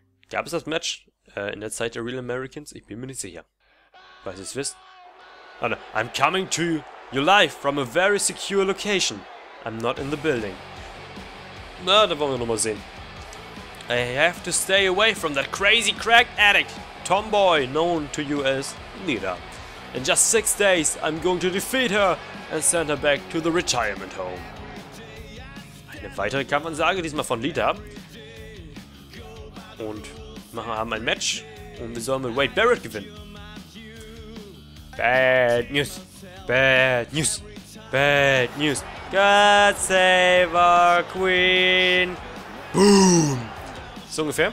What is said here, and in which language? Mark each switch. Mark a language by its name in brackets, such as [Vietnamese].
[German] Gab es das Match in der Zeit der Real Americans? Ich bin mir nicht sicher. Weil ihr es wisst. [English] Oh no. I'm coming to you live from a very secure location. I'm not in the building. [German] Na, da wollen wir nochmal sehen. [English] I have to stay away from that crazy crack addict, Tomboy, known to you as Nita. In just 6 days, I'm going to defeat her and send her back to the retirement home. [German] Eine weitere Kampfansage, diesmal von Lita. Und wir haben ein Match und wir sollen mit Wade Barrett gewinnen. [English] Bad News. Bad News. Bad News. God save our Queen. Boom. [German] So ungefähr.